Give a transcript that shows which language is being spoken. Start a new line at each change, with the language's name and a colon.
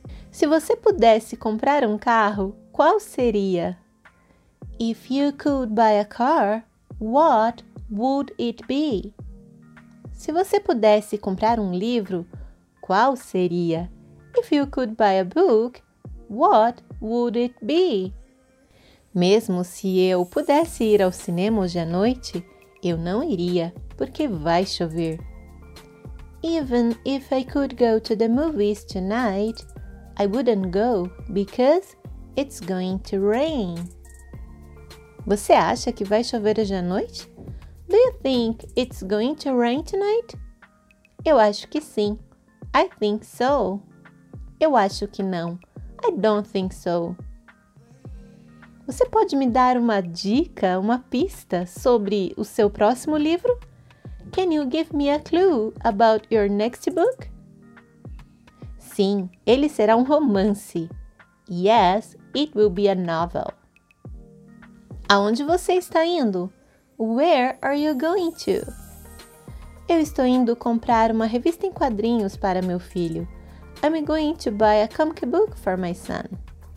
Portuguese: Se você pudesse comprar um carro, qual seria?
English: If you could buy a car, what would it be?
Portuguese: Se você pudesse comprar um livro, qual seria?
English: If you could buy a book, what would it be?
Portuguese: Mesmo se eu pudesse ir ao cinema hoje à noite, eu não iria, porque vai chover.
English: Even if I could go to the movies tonight, I wouldn't go because it's going to rain.
Portuguese: Você acha que vai chover hoje à noite?
English: Do you think it's going to rain tonight?
Portuguese: Eu acho que sim.
English: I think so.
Portuguese: Eu acho que não.
English: I don't think so.
Portuguese: Você pode me dar uma dica, uma pista sobre o seu próximo livro?
English: Can you give me a clue about your next book?
Portuguese: Sim, ele será um romance.
English: Yes, it will be a novel.
Portuguese: Aonde você está indo?
English: Where are you going to?
Portuguese: Eu estou indo comprar uma revista em quadrinhos para meu filho.
English: I'm going to buy a comic book for my son.